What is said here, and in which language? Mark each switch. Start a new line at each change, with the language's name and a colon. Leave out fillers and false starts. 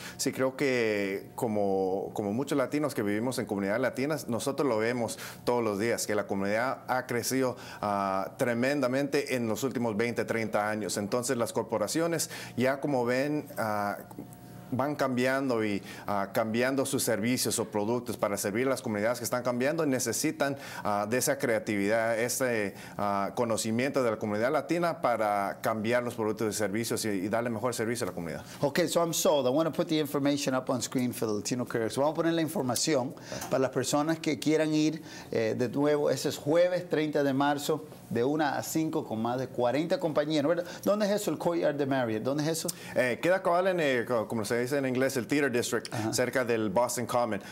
Spanish: Sí, creo que como muchos latinos que vivimos en comunidades latinas, nosotros lo vemos todos los días, que la comunidad ha crecido tremendamente en los últimos 20, 30 años. Entonces, las corporaciones ya como ven van cambiando y cambiando sus servicios o productos para servir a las comunidades que están cambiando, necesitan de esa creatividad, ese conocimiento de la comunidad latina para cambiar los productos y servicios y darle mejor servicio a la comunidad.
English: Okay, so I'm sold. I want to put the information up on screen for the Latino Careers.
Spanish: Vamos a poner la información para las personas que quieran ir de nuevo. Ese es jueves 30 de marzo. De 1 a 5 con más de 40 compañías, ¿verdad? ¿Dónde es eso, el Courtyard de Marriott? ¿Dónde es eso? Queda cabal en, como se dice en inglés, el Theater District, cerca del Boston Common.